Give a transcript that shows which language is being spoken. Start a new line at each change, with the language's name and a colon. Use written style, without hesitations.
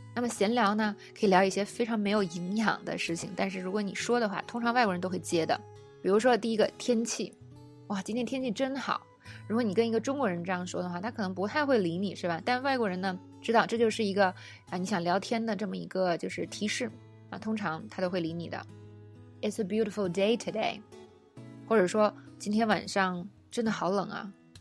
Chinese: 那么闲聊呢，可以聊一些非常没有营养的事情，但是如果你说的话，通常外国人都会接的。比如说第一个天气，哇，今天天气真好。如果你跟一个中国人这样说的话，他可能不太会理你，是吧？但外国人呢，知道这就是一个你想聊天的这么一个就是提示啊，通常他都会理你的。
English: It's a beautiful day today.
Chinese: 或者说今天晚上真的好冷啊。